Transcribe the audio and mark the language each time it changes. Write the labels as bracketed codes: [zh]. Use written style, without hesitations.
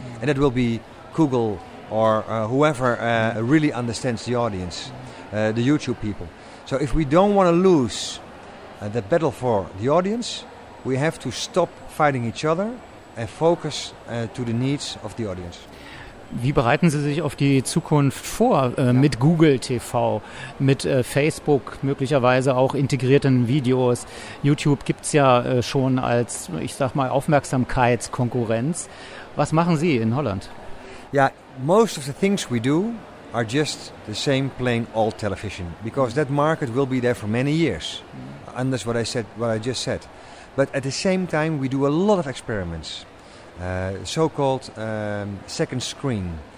[en] And that will be Google or whoever really understands the audience, the YouTube people. So if we don't want to lose the battle for the audience, we have to stop fighting each other and focus to the needs of the audience. [de] Wie bereiten Sie sich auf die Zukunft vor mit Google TV, mit Facebook, möglicherweise auch integrierten Videos? YouTube gibt es ja schon als, ich sag mal, Aufmerksamkeitskonkurrenz. Was machen Sie in Holland? [en] Ja, most of the things we do are just the same plain old television, because that market will be there for many years. And that's what I said, what I just said. But at the same time, we do a lot of experiments, so-called second screen.